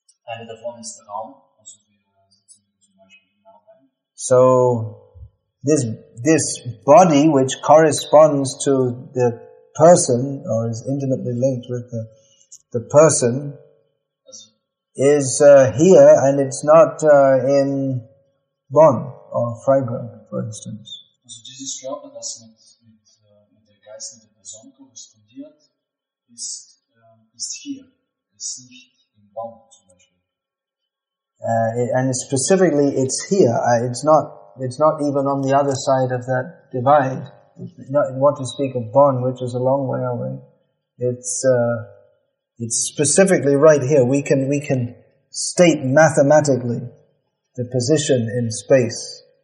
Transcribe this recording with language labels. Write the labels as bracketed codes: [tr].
[de] Eine davon ist der Raum, also wir sitzen zum Beispiel in Nauheim. [en] So this body, which corresponds to the person or is intimately linked with the person, is here, and it's not in Bonn or Freiburg, for instance. [de] Also dieses Körper, das mit der geistigen Person korrespondiert, ist hier, ist nicht Baum zum Beispiel. [en] And specifically, it's here. It's not even on the other side of that divide. Not, not to speak of Bonn, which is a long way away. It's specifically right here. We can state mathematically the position in space.